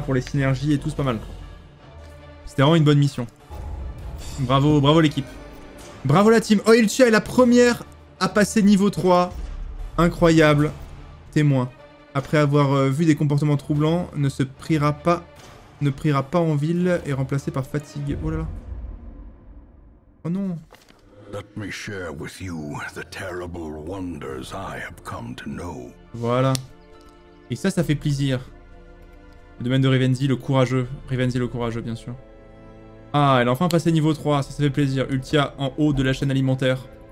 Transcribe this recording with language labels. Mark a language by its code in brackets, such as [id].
[fr] pour les synergies et tout, c'est pas mal. C'était vraiment une bonne mission. Bravo, bravo l'équipe. Bravo la team. Oh, Ilchia est la première à passer niveau 3. Incroyable. Témoin. Après avoir vu des comportements troublants, ne priera pas en ville et remplacé par fatigue. Oh là là. Oh non. [en] Let me share with you the terrible wonders I have come to know. [fr] Voilà. Et ça, ça fait plaisir. Le domaine de Rivenzi, le courageux. Rivenzi, le courageux, bien sûr. Ah, elle a enfin passé niveau 3, ça fait plaisir. Ultia en haut de la chaîne alimentaire.